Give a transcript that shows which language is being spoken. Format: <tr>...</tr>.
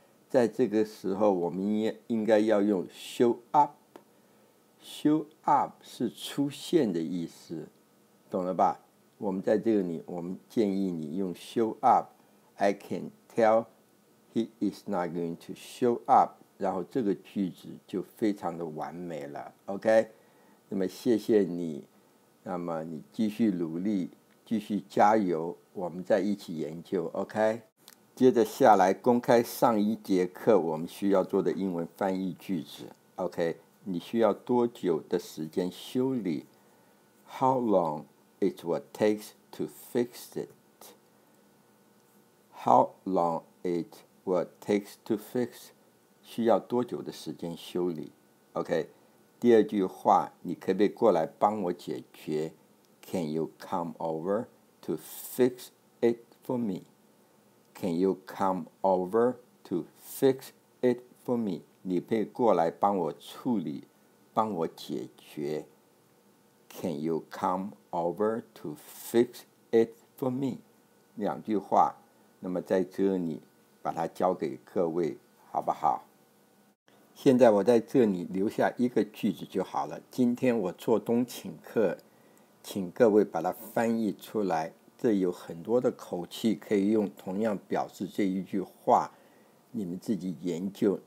<zh>在这个时候我们应该要用 show up. Show up 是出现的意思，懂了吧？我们在这里我们建议你用 show up.</zh> <en>I can tell he is not going to show up.</en> <zh>然后这个句子就非常的完美了 OK。那么谢谢你，那么你继续努力，继续加油，我们再一起研究 ，OK？接着下来公开上一节课我们需要做的英文翻译句子 ，OK？你需要多久的时间修理 ？</zh> <en>How long it will takes to fix it？ How long it will takes to fix？</en> <zh>需要多久的时间修理 ？OK？第二句话，你可不可以过来帮我解决 ？</zh> <en>Can you come over to fix it for me? Can you come over to fix it for me?</en> <zh>你可以过来帮我处理，帮我解决。</zh> <en>Can you come over to fix it for me?</en> <zh>两句话，那么在这里把它交给各位，好不好？现在我在这里留下一个句子就好了。今天我做东请客，请各位把它翻译出来。这有很多的口气可以用，同样表示这一句话，你们自己研究。</zh>